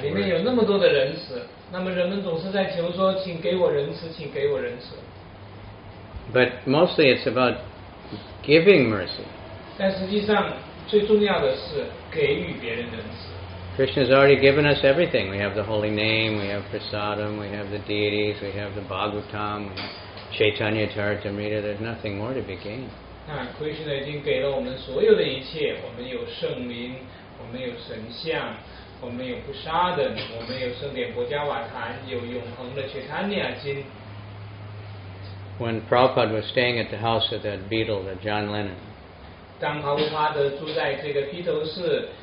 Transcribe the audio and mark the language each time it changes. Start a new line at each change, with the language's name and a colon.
Chinese: 里面有那么多的仁慈，那么人们总是在求说，请给我仁慈，请给我仁慈。
English: But mostly it's about giving mercy.
Chinese: 但实际上最重要的是给予别人仁慈。
English: Krishna has already given us everything. We have the holy name, we have prasadam, we have the deities, we have the Bhagavatam, we have Chaitanya Charitamrita. There's nothing more to be gained.
Chinese: Krishna 已经给了我们所有的一切。我们有圣名，我们有神像，我们有prasadam，我们有圣典薄伽瓦坛，有永恒的Chaitanya经。
English: When Prabhupada was staying at the house of that Beatle, that John Lennon.
Chinese: 当帕布帕德住在这个披头士。